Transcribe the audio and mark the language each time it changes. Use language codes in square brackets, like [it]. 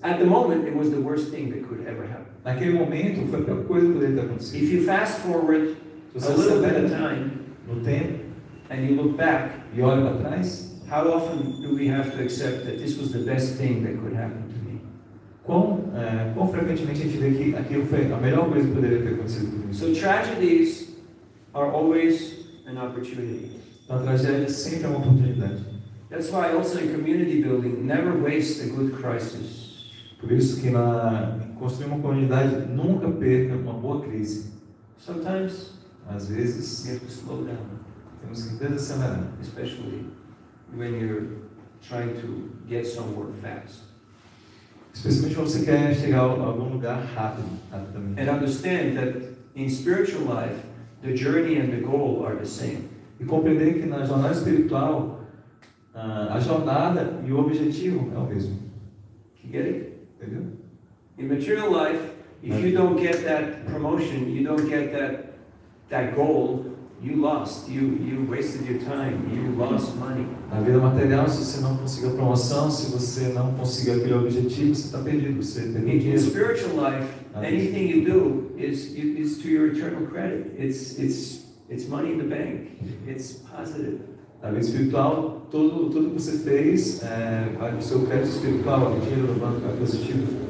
[en] At the moment, it was the worst thing that could ever happen. [pt] Naquele momento, foi a pior coisa que poderia ter acontecido. [en] If you fast forward a little bit of time, [pt] no tempo, [en] and you look back, [pt] e olha para trás, [en] how often do we have to accept that this was the best thing that could happen to me? [pt] Quão frequentemente a gente vê que aquilo foi a melhor coisa que poderia ter acontecido para mim? [en] So tragedies are always an opportunity. [pt] A tragédia sempre é uma oportunidade. [en] That's why also in community building, never waste a good crisis. [pt] Por isso que construir uma comunidade, nunca perca uma boa crise. [en] Sometimes, [pt] às vezes, [en] you have to slow down. [pt] Temos que desacelerar. [en] Especially when you're trying to get somewhere fast. [pt] Especialmente quando você quer chegar a algum lugar rápido. [en] And understand that in spiritual life, the journey and the goal are the same. [pt] E compreender que na jornada espiritual, a jornada e o objetivo é o mesmo. [en] You get it? [pt] Entendeu? [en] In material life, if you don't get that promotion, you don't get that goal, You lost, you wasted your time, you lost money. [pt] Na vida material, se você não conseguiu a promoção, se você não conseguiu aquele objetivo, você está perdido, você tem dinheiro. [en] In spiritual life, anything you do is to your eternal credit. It's money in the bank. It's positive. [pt] Na vida espiritual, tudo que você fez, vai para o seu crédito espiritual, o dinheiro no banco é positivo.